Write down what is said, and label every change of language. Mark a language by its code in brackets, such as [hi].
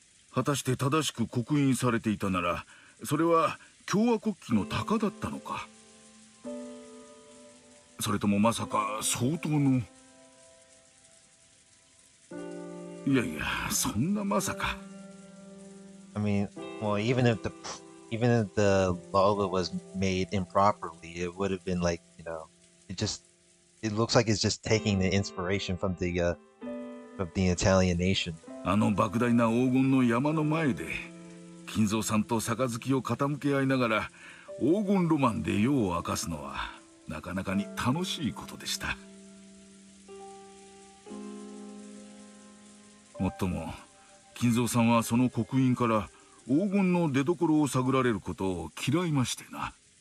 [ja] 果たして正しく刻印されていたなら、それは共和国旗の鷹だったのか、それともまさか相当の、いやいや、そんなまさか。 [en] I mean, well, even if the logo was made improperly, it would have been like, you know, it looks like it's just taking the inspiration from the Italian nation. [ja] あの莫大な黄金の山の前で、金蔵さんと杯を傾け合いながら黄金ロマンで夜を明かすのはなかなかに楽しいことでした。もっとも、金蔵さんはその刻印から黄金の出所を探られることを嫌いましてな。